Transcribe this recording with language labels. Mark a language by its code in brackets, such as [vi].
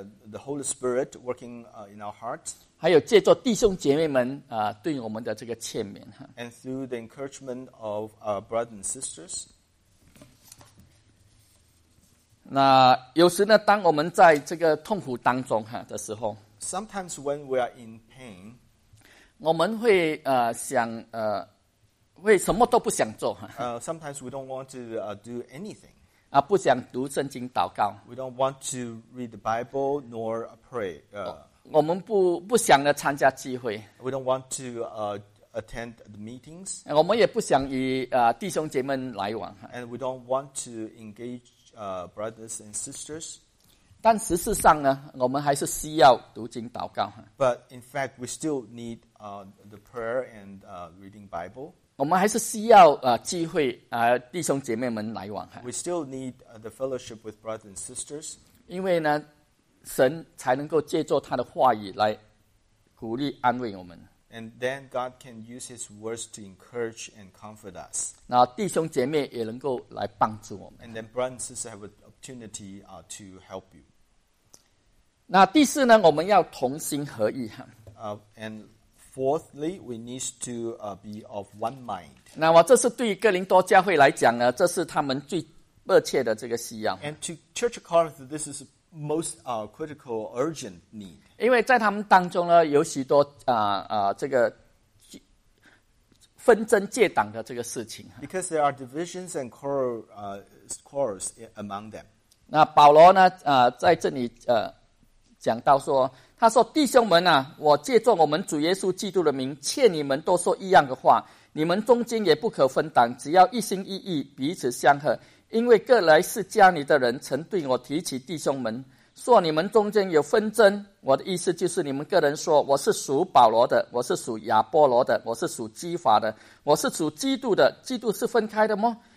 [en] the Holy Spirit working in our heart. [zh] 还有借助弟兄姐妹们对我们的这个劝勉。 [en] And through the encouragement of our brothers and sisters. [zh] 那有时呢，当我们在这个痛苦当中的时候， [en] Sometimes when we are in pain, [zh] 我们会想会什么都不想做。 [en] Sometimes we don't want to do anything. [zh] 啊，不想读圣经祷告。 [en] We don't want to read the Bible nor pray. [zh] 我们不想参加聚会。 [en] We don't want to attend the meetings. [zh] 我们也不想与弟兄姐妹来往。 [en] And we don't want to engage brothers and sisters. [zh] 但实际上呢，我们还是需要读经祷告。 [en] But in fact, we still need the prayer and reading Bible. [zh] 我们还是需要聚会弟兄姐妹们来往。 [en] We still need the fellowship with brothers and sisters. [zh] 因为呢，神才能够借助他的话语来鼓励安慰我们。 [en] And then God can use His words to encourage and comfort us. [zh] 那弟兄姐妹也能够来帮助我们。 [en] And then brothers and sisters have an opportunity to help you. [zh] 那第四呢，我们要同心合意。 [en] And fourthly, we need to be of one mind. [zh] 那么这是对于哥林多教会来讲呢，这是他们最迫切的这个需要。 [en] And to Church of Corinth, this is most critical, urgent need. [zh] 因为在他们当中呢，有许多这个纷争戒党的这个事情。 [en] Because there are divisions and quarrels among them. [zh] 那保罗呢，在这里讲到说。他说弟兄们啊，我借着我们主耶稣基督的名劝你们都说一样的话，你们中间也不可分党，只要一心一意彼此相合，因为各来是家里的人曾对我提起弟兄们说你们中间有纷争，我的意思就是你们个人说我是属保罗的，我是属亚波罗的，我是属基法的，我是属基督的，基督是分开的吗？